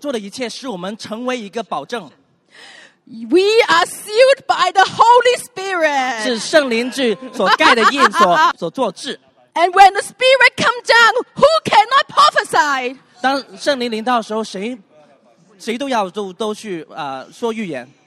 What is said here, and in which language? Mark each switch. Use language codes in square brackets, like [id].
[zh] 是因着你的公义、你的慈爱、你的信实，你所做的一切使我们成为一个保证。 [en] We are sealed by the Holy Spirit. [zh] 是圣灵所盖的印所做制。 [en] And when the Spirit comes down, who cannot prophesy? [zh] 当圣灵临到的时候，谁都要都去说预言。